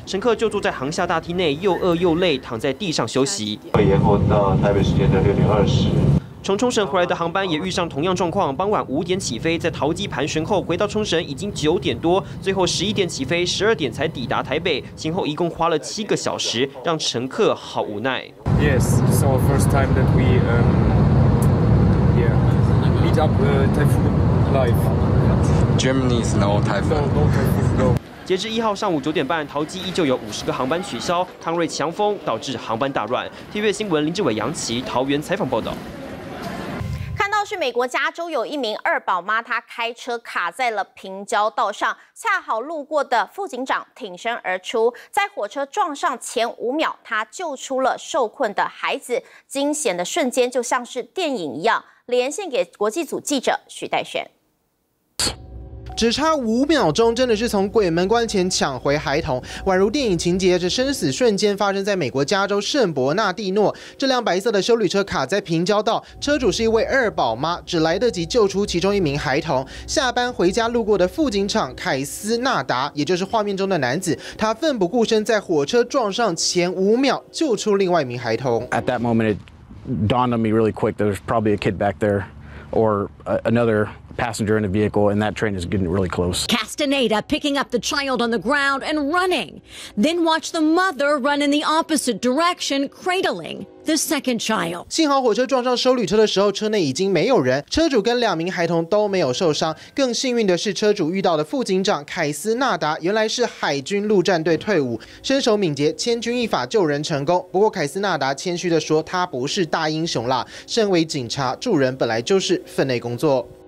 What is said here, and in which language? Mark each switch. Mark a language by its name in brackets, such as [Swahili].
[Chinese] 乘客就坐在航厦大厅内，又饿又累，躺在地上休息。会延后到台北时间的6:20。从冲绳回来的航班也遇上同样状况，傍晚5点起飞，在桃机盘旋后回到冲绳已经9点多，最后11点起飞，12点才抵达台北，前后一共花了7个小时，让乘客好无奈。 [English] Yes, it's our first time that we meet up Typhoon live. Germany's no typhoon. [Chinese] 截至1号上午9:30，桃机依旧有50个航班取消，康瑞强风导致航班大乱。 TVBS新闻林志伟、杨琪桃园采访报道。看到是美国加州有一名二宝妈，她开车卡在了平交道上，恰好路过的副警长挺身而出，在火车撞上前5秒，她救出了受困的孩子，惊险的瞬间就像是电影一样。连线给国际组记者许代轩。只差5秒钟，真的是从鬼门关前抢回孩童，宛如电影情节。这生死瞬间发生在美国加州圣伯纳蒂诺，这辆白色的休旅车卡在平交道，车主是一位二宝妈，只来得及救出其中一名孩童。下班回家路过的副警长凯斯纳达，也就是画面中的男子，他奋不顾身在火车撞上前5秒救出另外一名孩童。 [English] At that moment, it dawned on me really quick. There's probably a kid back there, or another. Passenger in a vehicle, and that train is getting really close. Castaneda picking up the child on the ground and running. Then watch the mother run in the opposite direction, cradling. The second child. [Chinese] 幸好火车撞上休旅车的时候，车内已经没有人，车主跟两名孩童都没有受伤。更幸运的是，车主遇到的副警长凯斯纳达原来是海军陆战队退伍，身手敏捷，千钧一发救人成功。不过凯斯纳达谦虚地说，他不是大英雄啦，身为警察，助人本来就是分内工作。